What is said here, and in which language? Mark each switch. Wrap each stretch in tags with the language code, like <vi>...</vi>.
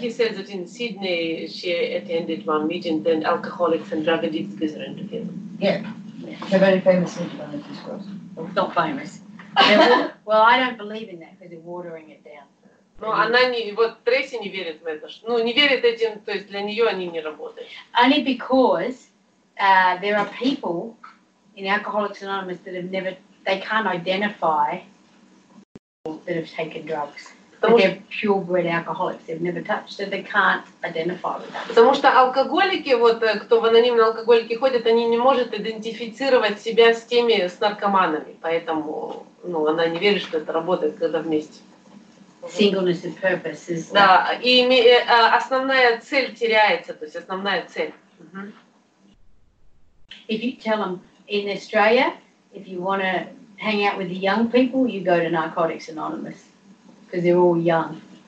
<en>He said that in Sydney she attended one meeting, then alcoholics and drug addicts gathered together. Yeah. It's a very famous meeting, of course. Not famous. Well, I don't believe in that because they're watering it down.</en> <ru>Ну, она не, вот Трейси не верит в это. Ну, не верит этим, то есть для нее они не работают.</ru> <en>Only because there are people in Alcoholics Anonymous that have never... They can't identify people that have taken drugs. They're purebred alcoholics. They've never touched it. They can't identify with that.</en> <ru>Потому что алкоголики, вот кто в анонимные алкоголики ходят, они не могут идентифицировать себя с теми, с наркоманами. Поэтому, ну, она не верит, что это работает, когда вместе.</ru> <en>Singleness of purpose is...</en> <ru>Да, и основная цель теряется, то есть основная цель.</ru> <en>Mm-hmm. If you tell them in Australia, if you want to hang out with the young people, you go to Narcotics Anonymous, because they're all young.</en>